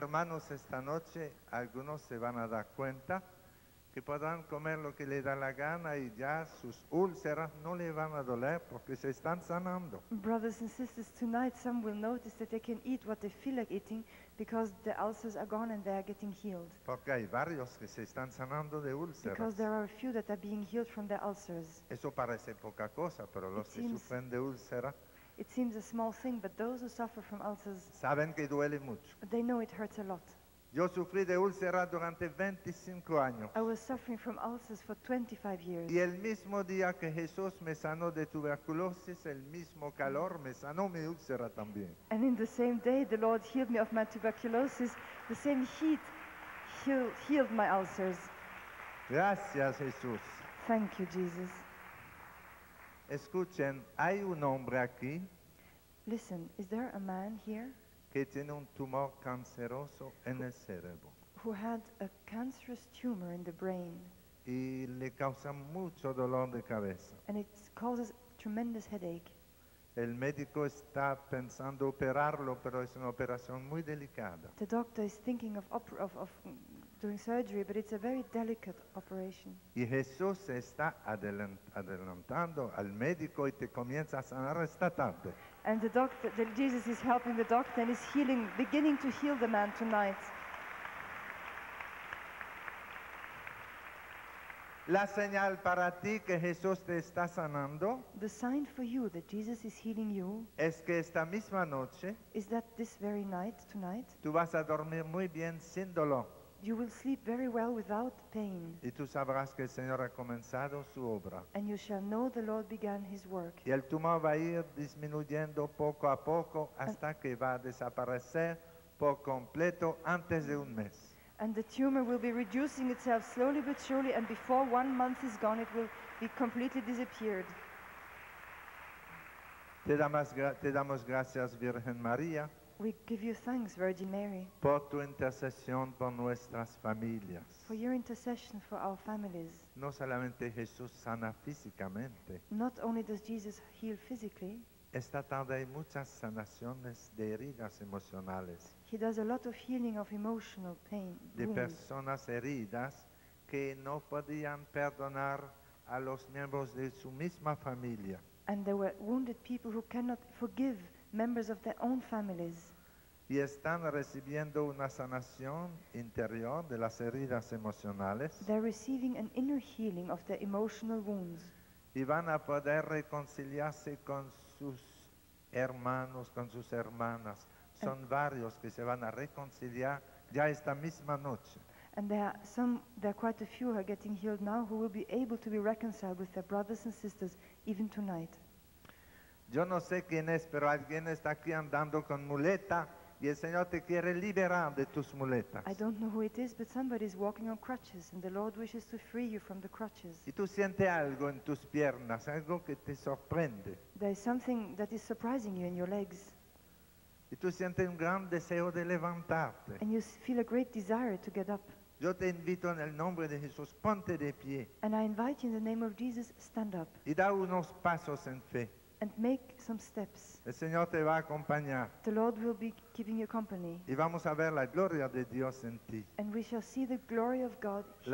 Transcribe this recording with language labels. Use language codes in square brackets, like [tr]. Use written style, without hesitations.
[es] Hermanos, esta noche algunos se van a dar cuenta que podrán comer lo que le da la gana y ya sus úlceras no le van a doler porque se están sanando. [en] Brothers and sisters, tonight some will notice that they can eat what they feel like eating because the ulcers are gone and they are getting healed. [es] Porque hay varios que se están sanando de úlceras. [en] Because there are a few that are being healed from their ulcers. [es] Eso parece poca cosa, pero los que sufren de úlcera. [en] It seems a small thing, but those who suffer from ulcers. [es] Saben que duele mucho. [en] They know it hurts a lot. [es] Yo sufrí de úlcera durante 25 años. [en] I was suffering from ulcers for 25 years. [es] Y el mismo día que Jesús me sanó de tuberculosis, el mismo calor me sanó mi úlcera también. [en] And in the same day the Lord healed me of my tuberculosis, the same heat healed my ulcers. [es] Gracias, Jesús. [en] Thank you, Jesus. [es] Escuchen, hay un hombre aquí. [en] Listen, is there a man here? [es] Que tiene un tumor canceroso en el cerebro. [en] Who had a cancerous tumor in the brain. [es] Y le causa mucho dolor de cabeza. [en] And it causes tremendous headache. [es] El médico está pensando operarlo, pero es una operación muy delicada. [en] The doctor is thinking of doing surgery, but it's a very delicate operation. [es] Y Jesús está adelantando al médico y te comienza a sanar esta tarde. [en] And the doctor, Jesus is helping the doctor and is healing, beginning to heal the man tonight. [es] La señal para ti que Jesús te está sanando. [en] The sign for you that Jesus is healing you. [es] Es que esta misma noche. [en] Is that this very night, tonight. [es] Tú vas a dormir muy bien sin dolor. [en] You will sleep very well without pain. [es] Y tú sabrás que el Señor ha comenzado su obra. [en] And you shall know the Lord began his work. [es] Y el tumor va a ir disminuyendo poco a poco hasta que va a desaparecer por completo antes de un mes. [en] And the tumor will be reducing itself slowly but surely, and before 1 month is gone, it will be completely disappeared. [es] Te damos gracias, Virgen María. [en] We give you thanks, Virgin Mary. [es] Por tu intercesión por nuestras familias. [en] For your intercession for our families. [es] No solamente Jesús sana físicamente. [en] Not only does Jesus heal physically. [es] Esta tarde hay muchas sanaciones de heridas emocionales. [en] He does a lot of healing of emotional pain. [es] De [en] wounds. [es] Personas heridas que no podían perdonar a los miembros de su misma familia. [en] And there were wounded people who cannot forgive members of their own families. [es] Y están recibiendo una sanación interior de las heridas emocionales. [en] They're receiving an inner healing of their emotional wounds. [es] Y van a poder reconciliarse con sus hermanos, con sus hermanas. Son varios que se van a reconciliar ya esta misma noche. [en] And there are quite a few who are getting healed now who will be able to be reconciled with their brothers and sisters even tonight. [es] Yo no sé quién es, pero alguien está aquí andando con muleta. Y el Señor te quiere liberar de tus muletas. [en] I don't know who it is, but somebody is walking on crutches, and the Lord wishes to free you from the crutches. [es] Y tú sientes algo en tus piernas, algo que te sorprende. [en] There is something that is surprising you in your legs. [es] Y tú sientes un gran deseo de levantarte. [en] And you feel a great desire to get up. [es] Yo te invito en el nombre de Jesús, ponte de pie. [en] And I invite you in the name of Jesus, stand up. [es] Y da unos pasos en fe. [en] And make some steps. [es] El Señor te va a acompañar. [en] The Lord will be keeping you company. [es] Y vamos a ver la gloria de Dios en ti. [en] And we shall see the glory of God here.